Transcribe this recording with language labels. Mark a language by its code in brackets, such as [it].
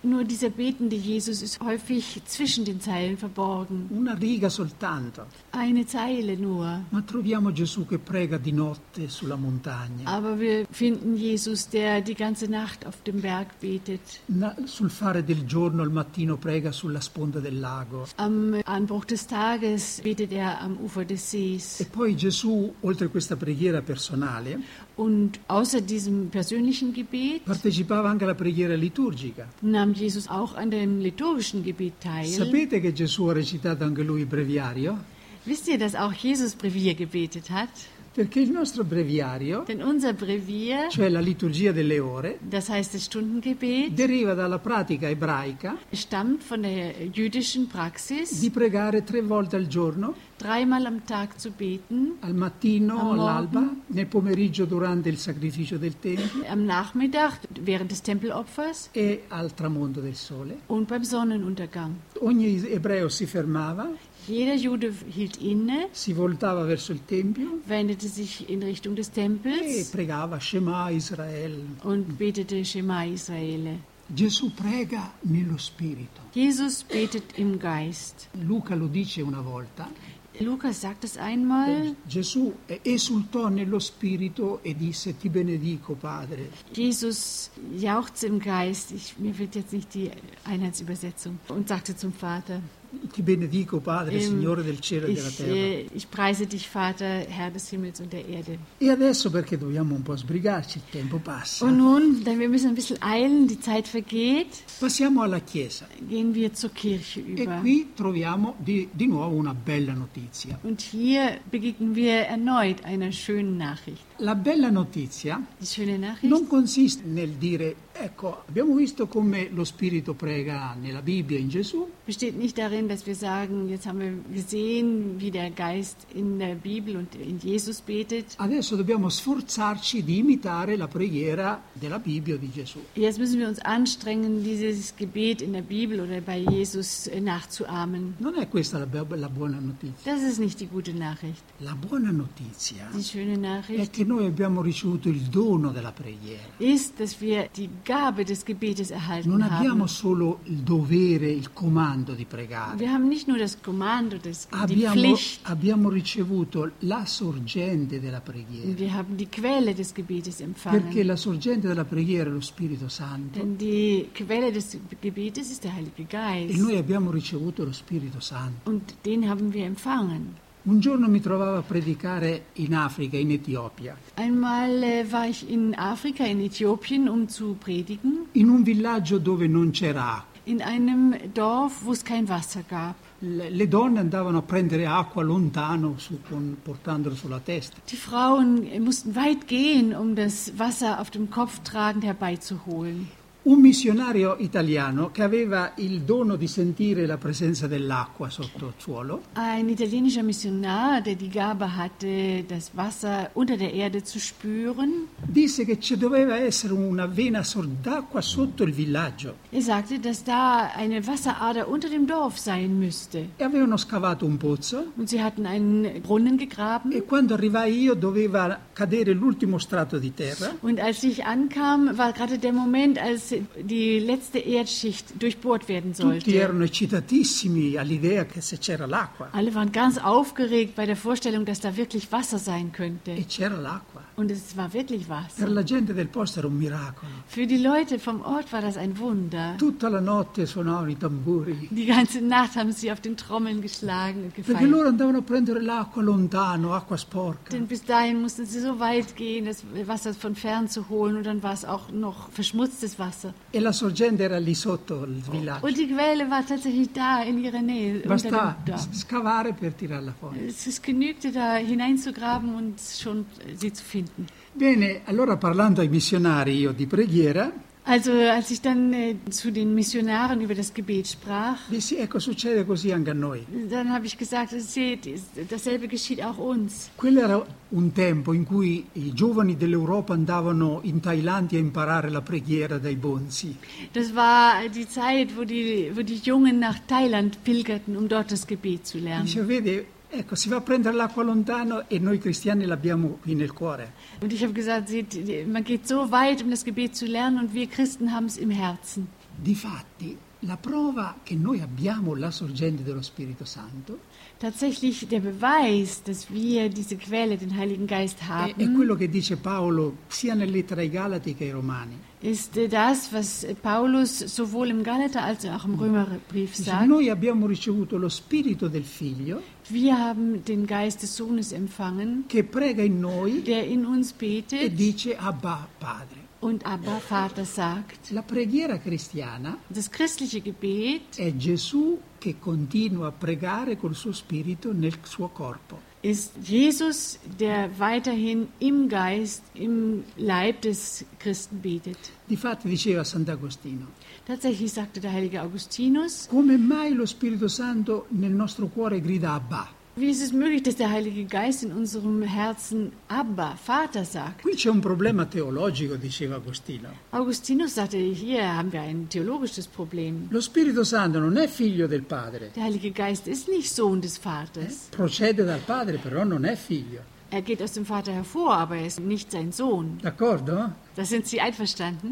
[de] Nur dieser betende Jesus ist häufig zwischen den Zeilen verborgen. [it] Una riga soltanto. [de] Eine Zeile nur. [it] Ma troviamo Gesù che prega di notte sulla montagna. [de] Aber wir finden Jesus, der die ganze Nacht auf dem Berg betet. [it] Sul fare del giorno al mattino prega sulla sponda del lago. [de] Am Anbruch des Tages betet er am Ufer des Sees. [it] E poi Gesù, oltre questa preghiera personale, [de] und außer diesem persönlichen Gebet, [it] partecipava anche alla preghiera liturgica. [de] Nahm Jesus auch an dem liturgischen Gebet teil. [it] Sapete che Gesù ha recitato anche lui il breviario? [de] Wisst ihr, dass auch Jesus Brevier gebetet hat? [it] Perché il nostro breviario, [de] denn unser Brevier, [it] cioè la liturgia delle ore, [de] das heißt das Stundengebet, [it] deriva dalla pratica ebraica, [de] stammt von der jüdischen Praxis, [it] di pregare tre volte al giorno, [de] dreimal am Tag zu beten, [it] al mattino, all'alba, nel pomeriggio durante il sacrificio del tempio, [de] am Nachmittag während des Tempelopfers, [it] e al tramonto del sole, [de] und beim Sonnenuntergang. [it] Ogni ebreo si fermava. [de] Jeder Jude hielt inne, [it] si voltava verso il tempio, [de] wendete sich in Richtung des Tempels, [it] e pregava Shema Israel, [de] und betete Shema Israele. [it] Gesù prega nello spirito. [de] Jesus betet im Geist. [it] Luca lo dice una volta. [de] Luca sagt es einmal. [it] Gesù esultò nello spirito e disse: Ti benedico, Padre. [de] Jesus jauchzte im Geist. Mir fehlt jetzt nicht die Einheitsübersetzung. Und sagte zum Vater: [it] Ti benedico, Padre, Signore del cielo e della terra. [de] Ich preise dich, Vater, Herr des Himmels und der Erde. [it] E adesso perché dobbiamo un po' sbrigarci, il tempo passa. [de] Und nun, denn wir müssen ein bisschen eilen, die Zeit vergeht. [it] Passiamo alla Chiesa. [de] Gehen wir zur Kirche über. [it] E qui troviamo di nuovo una bella notizia. [de] Und hier begegnen wir erneut einer schönen Nachricht. [it] La bella notizia, [de] die schöne Nachricht, [it] non consiste nel dire, ecco, abbiamo visto come lo Spirito prega nella Bibbia in Gesù. [de] Besteht nicht darin, dass wir sagen, jetzt haben wir gesehen, wie der Geist in der Bibel und in Jesus betet. [it] Adesso dobbiamo sforzarci di imitare la preghiera della Bibbia di Gesù. [de] Jetzt müssen wir uns anstrengen, dieses Gebet in der Bibel oder bei Jesus nachzuahmen. [it] Non è questa la buona notizia. [de] Das ist nicht die gute Nachricht. [it] La buona notizia, [de] die schöne Nachricht, [it] è che noi abbiamo ricevuto il dono della preghiera. [de] Ist, dass wir die Gabe des Gebetes erhalten non haben. [it] Abbiamo solo il dovere, il comando di pregare. [de] Wir haben nicht nur das Kommando, die Pflicht. [it] Abbiamo ricevuto la sorgente della preghiera. [de] Wir haben die Quelle des Gebetes empfangen. [it] Perché la sorgente della preghiera è lo Spirito Santo. [de] Denn die Quelle des Gebetes ist der Heilige Geist. [it] E noi abbiamo ricevuto lo Spirito Santo. [de] Und den haben wir empfangen. [it] Un giorno mi trovavo a predicare in Africa, in Etiopia. [de] Einmal war ich in Afrika, in Äthiopien, zu predigen. [it] In un villaggio dove non c'era. [de] In einem Dorf, wo es kein Wasser gab. [it] Le donne andavano a prendere acqua lontano portandolo sulla testa. [de] Die Frauen mussten weit gehen, das Wasser auf dem Kopf tragend herbeizuholen. [it] Un missionario italiano che aveva il dono di sentire la presenza dell'acqua sotto il suolo. [de] Ein italienischer Missionar, der die Gabe hatte, das Wasser unter der Erde zu spüren. [it] Disse che ci doveva essere una vena d'acqua sotto il villaggio. [de] Er sagte, dass da eine Wasserader unter dem Dorf sein müsste. [it] E avevano scavato un pozzo. [de] Und sie hatten einen Brunnen gegraben. [it] E quando arrivai io doveva cadere l'ultimo strato di terra. [de] Und als ich ankam, war gerade der Moment, als die letzte Erdschicht durchbohrt werden sollte. [it] Tutti erano eccitatissimi all'idea che se c'era l'acqua. [de] Alle waren ganz aufgeregt bei der Vorstellung, dass da wirklich Wasser sein könnte. [it] E c'era l'acqua. [de] Und es war wirklich Wasser. [it] Per la gente del posto era un miracolo. [de] Für die Leute vom Ort war das ein Wunder. [it] Tutta la notte suonavano i tamburi. [de] Die ganze Nacht haben sie auf den Trommeln geschlagen und gefeiert. [it] Perché loro andavano a prendere l'acqua lontano, acqua sporca. [de] Denn bis dahin mussten sie so weit gehen, das Wasser von fern zu holen, und dann war es auch noch verschmutztes Wasser. [it] E la sorgente era lì sotto il villaggio. [de] Und die Quelle war tatsächlich da in ihrer Nähe. [it] Basta scavare per tirarla fuori. [de] Es genügte da hineinzugraben und schon sie zu finden. [it] Bene, allora parlando ai missionari io di preghiera. [de] Also als ich dann zu den Missionaren über das Gebet sprach. [it] Disse, ecco, succede così anche a noi. [de] Dann habe ich gesagt, seht, dasselbe geschieht auch uns. [it] Quello era un tempo in cui i giovani dell'Europa andavano in Thailandia a imparare la preghiera dai Bonzi. [de] Das war die Zeit, wo die Jungen nach Thailand pilgerten, dort das Gebet zu lernen. [it] Dice, vede, ecco, si va a prendere l'acqua lontano e noi cristiani l'abbiamo qui nel cuore. [de] Und ich habe gesagt, sieht, man geht so weit, das Gebet zu lernen, und wir Christen haben es im Herzen. [it] Difatti, la prova che noi abbiamo la sorgente dello Spirito Santo. [de] Tatsächlich der Beweis, dass wir diese Quelle, den Heiligen Geist haben. [it] È quello che dice Paolo sia nella lettera ai Galati che ai Romani. [de] Ist das, was Paulus sowohl im Galater als auch im Römerbrief sagt. [it] Noi abbiamo ricevuto lo Spirito del Figlio. [de] Wir haben den Geist des Sohnes empfangen. [it] Che prega in noi. [de] Der in uns betet. [it] E dice Abba Padre. [de] Und Abba Vater sagt. [it] La preghiera cristiana. [de] Das christliche Gebet. [it] È Gesù che continua a pregare col suo Spirito nel suo corpo. [de] Ist Jesus, der weiterhin im Geist, im Leib des Christen betet. [it] Difatti diceva Sant'Agostino. [de] Tatsächlich sagte der heilige Augustinus. [it] Come mai lo Spirito Santo nel nostro cuore grida Abba? [de] Wie ist es möglich, dass der Heilige Geist in unserem Herzen Abba, Vater sagt? [it] Qui c'è un problema teologico, diceva Agostino. [de] Augustinus sagte, hier haben wir ein theologisches Problem. [it] Lo Spirito Santo non è figlio del Padre. [de] Der Heilige Geist ist nicht Sohn des Vaters. [it] Procede dal Padre, però non è figlio. [de] Er geht aus dem Vater hervor, aber er ist nicht sein Sohn. [it] D'accordo? [de] Da sind Sie einverstanden?